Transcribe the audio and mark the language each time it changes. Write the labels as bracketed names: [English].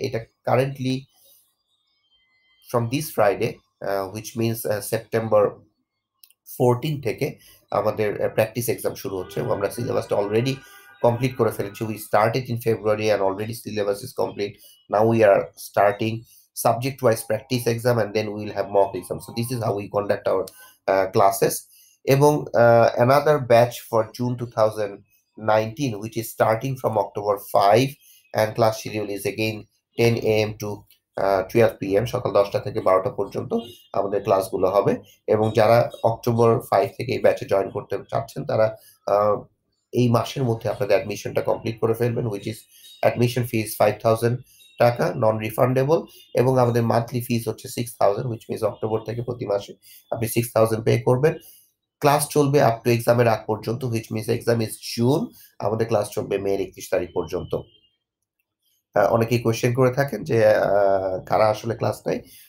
[Bangla] এটা [English] currently from this Friday, which means September 14 [Bangla] থেকে আমাদের প্র্যাকটিস এক্সাম শুরু হচ্ছে, এবং আমরা সিলেবাসটা অলরেডি কমপ্লিট করে ফেলেছি। [English] We started in February and already syllabus is complete, now we are starting subject wise practice exam and then will have mock exam. So this is how we conduct our classes. এবং another batch for June 2000 19, which is starting from October 5, and class schedule is again 10 a.m. to 12 p.m. [Bangla] সকাল 10টা থেকে 12টা পর্যন্ত আমাদের ক্লাসগুলো হবে এবং যারা অক্টোবর 5 থেকে এই ব্যাচে জয়েন করতে চাচ্ছেন তারা এই মাসের মধ্যে আপনাদের অ্যাডমিশনটা কমপ্লিট করে ফেলবেন [English] which is [Bangla] অ্যাডমিশন ফিস 5000 টাকা নন রিফান্ডেবল এবং আমাদের মান্থলি ফিস হচ্ছে 6000 [English] which means [Bangla] অক্টোবর থেকে প্রতি মাসে আপনি 6000 পে করবেন ক্লাস চলবে আপ টু এক্সামের আগ পর্যন্ত which means exam is June আমাদের ক্লাস চলবে মে 31 তারিখ পর্যন্ত অনেকেই কোয়েশ্চেন করে থাকেন যে কারা আসলে ক্লাস নেয়